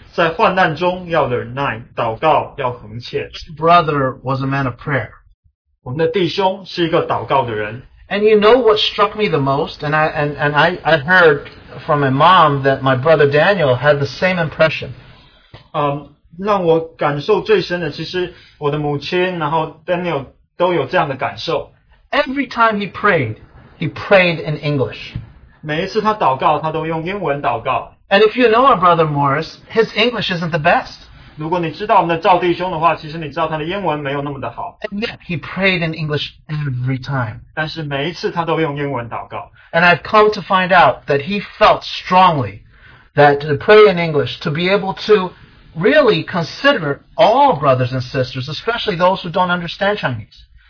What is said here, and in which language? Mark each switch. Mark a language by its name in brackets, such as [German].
[Chinese] 罗马书12章12节，在指望中要喜乐，在患难中要忍耐，祷告要恒切。 [English] Brother was a man of prayer. [Chinese] 我们的弟兄是一个祷告的人。 [English] And you know what struck me the most, and I heard from my mom that my brother Daniel had the same impression. [Chinese] 让我感受最深的，其实我的母亲，然后Daniel都有这样的感受。 [English] Every time he prayed in English. [Chinese] 每一次他祷告，他都用英文祷告。 [English] And if you know our brother Morris, his English isn't the best. [Chinese] 如果你知道我们的赵弟兄的话，其实你知道他的英文没有那么的好。 [English] And yet he prayed in English every time. [Chinese] 但是每一次他都用英文祷告。 [English] And I've come to find out that he felt strongly that to pray in English, to be able to really consider all brothers and sisters, especially those who don't understand Chinese.